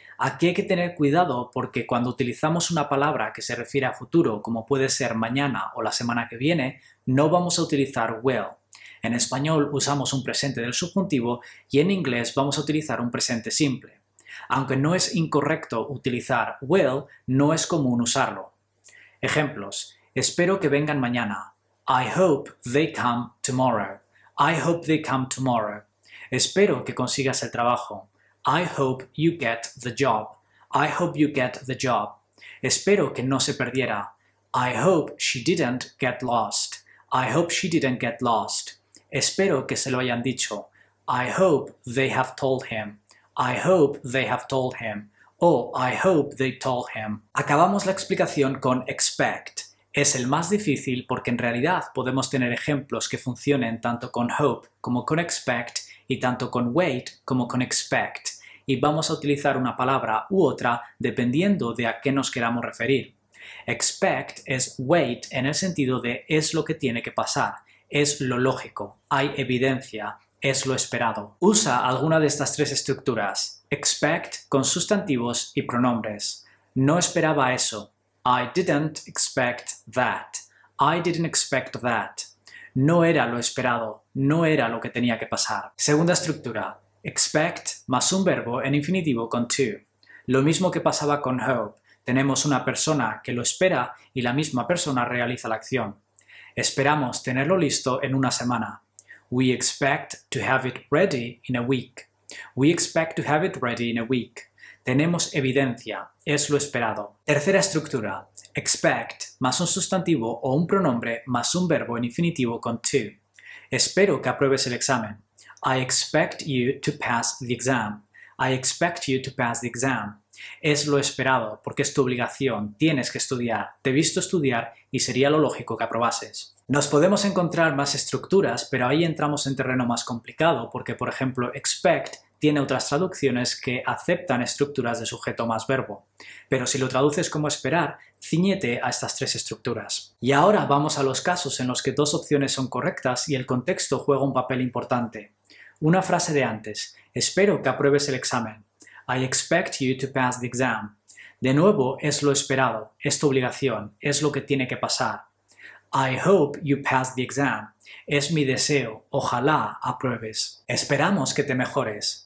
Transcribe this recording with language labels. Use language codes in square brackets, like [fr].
[es] Aquí hay que tener cuidado porque cuando utilizamos una palabra que se refiere a futuro, como puede ser mañana o la semana que viene, no vamos a utilizar will. En español usamos un presente del subjuntivo y en inglés vamos a utilizar un presente simple. Aunque no es incorrecto utilizar will, no es común usarlo. Ejemplos. Espero que vengan mañana. [en] I hope they come tomorrow. I hope they come tomorrow. [es] Espero que consigas el trabajo. [en] I hope you get the job. I hope you get the job. [es] Espero que no se perdiera. [en] I hope she didn't get lost. I hope she didn't get lost. [es] Espero que se lo hayan dicho. [en] I hope they have told him. I hope they have told him. Oh, I hope they told him. [es] Acabamos la explicación con expect. Es el más difícil porque en realidad podemos tener ejemplos que funcionen tanto con hope como con expect y tanto con wait como con expect. Y vamos a utilizar una palabra u otra dependiendo de a qué nos queramos referir. Expect es wait en el sentido de es lo que tiene que pasar, es lo lógico, hay evidencia, es lo esperado. Usa alguna de estas tres estructuras. Expect con sustantivos y pronombres. No esperaba eso. [en] I didn't expect that. I didn't expect that. [es] No era lo esperado. No era lo que tenía que pasar. Segunda estructura. Expect más un verbo en infinitivo con to. Lo mismo que pasaba con hope. Tenemos una persona que lo espera y la misma persona realiza la acción. Esperamos tenerlo listo en una semana. [en] We expect to have it ready in a week. We expect to have it ready in a week. [es] Tenemos evidencia, es lo esperado. Tercera estructura. Expect más un sustantivo o un pronombre más un verbo en infinitivo con to. Espero que apruebes el examen. [en] I expect you to pass the exam. I expect you to pass the exam. [es] Es lo esperado porque es tu obligación, tienes que estudiar, te he visto estudiar y sería lo lógico que aprobases. Nos podemos encontrar más estructuras, pero ahí entramos en terreno más complicado porque, por ejemplo, expect tiene otras traducciones que aceptan estructuras de sujeto más verbo. Pero si lo traduces como esperar, cíñete a estas tres estructuras. Y ahora vamos a los casos en los que dos opciones son correctas y el contexto juega un papel importante. Una frase de antes. Espero que apruebes el examen. [en] I expect you to pass the exam. [es] De nuevo, es lo esperado, es tu obligación, es lo que tiene que pasar. [en] I hope you pass the exam. [es] Es mi deseo. Ojalá apruebes. Esperamos que te mejores.